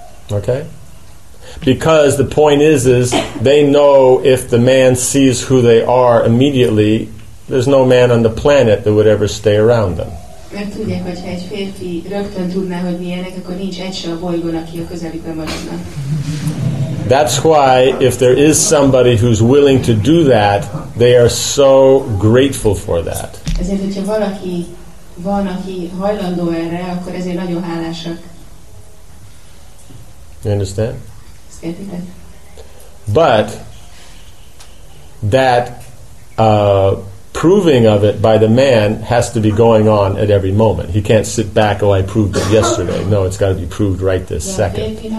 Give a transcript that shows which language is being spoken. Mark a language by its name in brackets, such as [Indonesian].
[English] Okay? Because the point is they know if the man sees who they are immediately, there's no man on the planet that would ever stay around them. [Hungarian] Mert tudják, hogy ha egy férfi rögtön tudná, hogy milyenek, akkor nincs egy se a bolygón, aki a közelükben maradna. [English] That's why if there is somebody who's willing to do that, they are so grateful for that. [Hungarian] Ezért, hogyha valaki van, aki hajlandó erre, akkor ezért nagyon hálásak. [English] You understand? [Hungarian] Értitek? [English] But that proving of it by the man has to be going on at every moment. He can't sit back, oh, I proved it yesterday. No, it's got to be proved right this second.